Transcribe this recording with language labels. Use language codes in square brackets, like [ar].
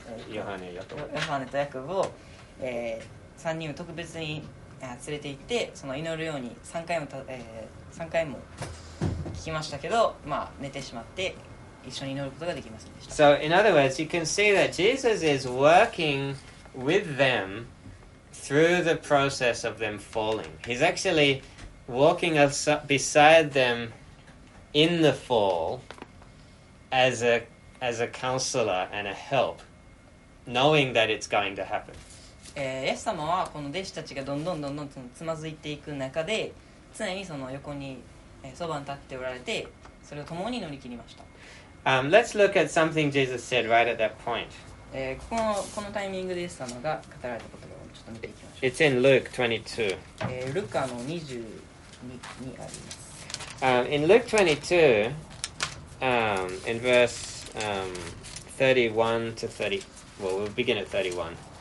[ja] ヨハネとヤコブを、3人を特別に連れて行ってその祈るように3回も、3回も聞きましたけど、まあ、寝てしまって一緒に祈ることができませんでした。 [en] So in other words, you can see that Jesus is working with them through the process of them falling. He's actually walking beside them in the fall as a counselor and a help, knowing that it's going to happen. [ja] イエス様はこの弟子たちがどんどんどんどんつまずいていく中で常にその横にそばに立っておられてそれを共に乗り切りました。 [en] Let's look at something Jesus said right at that point. [ja] このタイミングでイエス様が語られた言葉をちょっと見ていきましょう。 [en] It's in Luke 22. [ja] ルカの22にあります。 [en] In Luke 22, in verse 31 to 30, well, we'll begin at 31.